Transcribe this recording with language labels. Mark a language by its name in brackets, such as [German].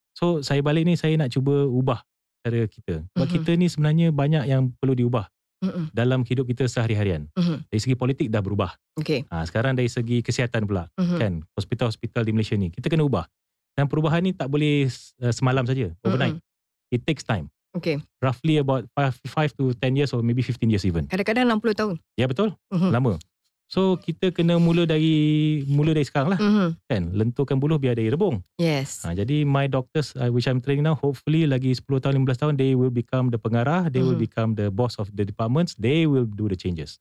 [Malay] So, saya balik ni saya nak cuba ubah cara kita. Sebab kita ni sebenarnya banyak yang perlu diubah dalam hidup kita sehari-harian. Dari segi politik dah berubah. [English] Okay. [Malay] Ha, sekarang dari segi kesihatan pula. Kan, hospital-hospital di Malaysia ni. Kita kena ubah. Dan perubahan ni tak boleh semalam saja. [English] Overnight. It takes time. Okay. Roughly about 5 to 10 years or maybe 15 years even. [Malay] Kadang-kadang 60 tahun. Ya, betul. Lama. So kita kena mula dari sekarang lah. Kan, lenturkan buluh biar ada rebung. [English] Yes. [Malay] Ha, jadi [English] my doctors which I'm training now, hopefully [Malay] lagi 10 tahun 15 tahun [English] they will become the pengarah, they will become the boss of the departments, they will do the changes.